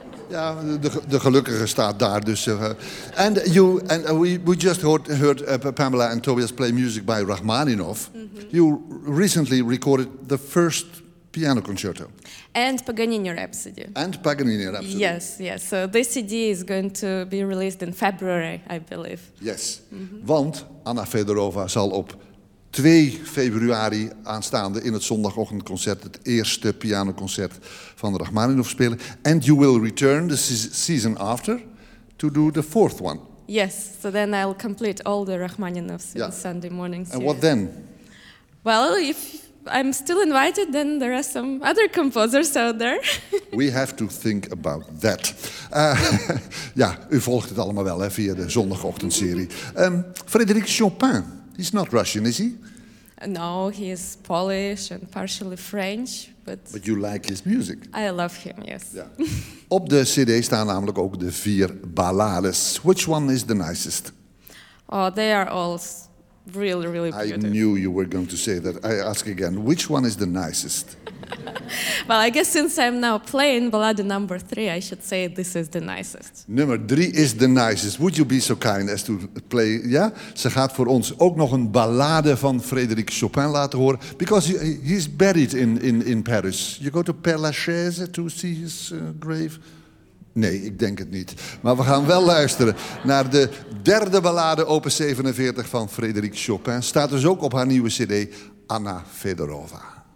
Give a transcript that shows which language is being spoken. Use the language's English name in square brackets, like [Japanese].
[Dutch] Ja, de gelukkige staat daar dus. [English] We just heard Pamela and Tobias play music by Rachmaninoff. Mm-hmm. You recently recorded the first piano concerto. And Paganini Rhapsody. And Paganini Rhapsody. Yes, yes. So this CD is going to be released in February, I believe. Yes. Mm-hmm. [Dutch] Want Anna Fedorova zal op 2 februari aanstaande in het zondagochtendconcert het eerste pianoconcert van Rachmaninoff spelen. [English] And you will return the season after to do the fourth one. Yes, so then I'll complete all the Rachmaninoffs in Sunday mornings. And what then? Well, if I'm still invited, then there are some other composers out there. We have to think about that. [Dutch] ja, u volgt het allemaal wel, hè, via de zondagochtendserie. [English] Frédéric Chopin. He's not Russian, is he? No, he is Polish and partially French, but... But you like his music. I love him, yes. Yeah. [Dutch] Op de CD staan namelijk ook de 4 ballades. [English] Which one is the nicest? Oh, they are all really, really beautiful. I knew you were going to say that. I ask again, which one is the nicest? Well, I guess since I'm now playing ballade number 3, I should say this is the nicest. Nummer 3 is the nicest. Would you be so kind as to play, yeah? [Dutch] Ze gaat voor ons ook nog een ballade van Frédéric Chopin laten horen. [English] Because he's buried in Paris. You go to Père Lachaise to see his grave? [Dutch] Nee, ik denk het niet. Maar we gaan wel luisteren naar de 3e ballade, opus 47 van Frédéric Chopin. Staat dus ook op haar nieuwe CD, Anna Fedorova.